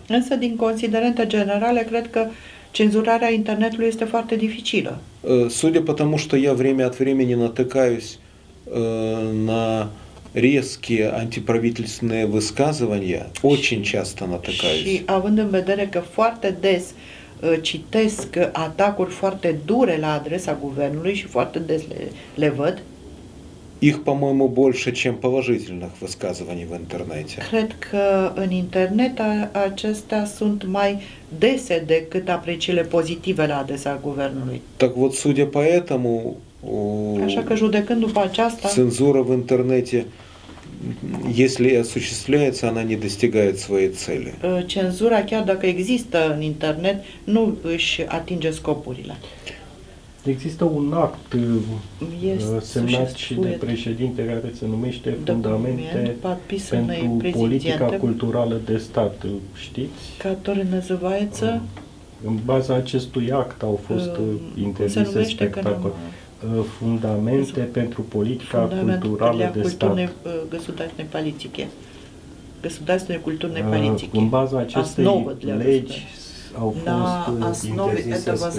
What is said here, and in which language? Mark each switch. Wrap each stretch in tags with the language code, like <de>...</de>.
<ro>Însă din considerente generale, cred că cenzurarea internetului este foarte dificilă.</ro> <ru>Судя по тому, что я время от времени натыкаюсь на резкие антиправительственные высказывания, очень часто натыкаюсь.</ru> <ro>Și având în vedere că foarte des citesc atacuri foarte dure la adresa guvernului și foarte des le văd.</ro> <ru>Их, по-моему, больше, чем положительных высказываний в интернете.</ru> <ro>Cred că în internet acestea sunt mai dese decât apreciile pozitive la adresa guvernului.</ro> <ru>Так вот, судя по этому,</ru> <ro>așa că judecând după aceasta,</ro> <ru>цензура в интернете, если осуществляется, она не достигает своей цели.</ru> <ro>Цензура, chiar dacă există în internet, nu își atinge scopurile. Există un act semnat și de președinte care se numește Fundamente pentru politica culturală de stat, știți? Care</ro> <ru>называется?</ru> <ro>În baza acestui act au fost interzise spectacole. Fundamente pentru politica culturală de stat.</ro> <ru>Государственной политики. Государственной культурной политики.</ru> <ro>În baza acestei legi au fost interzise</ro>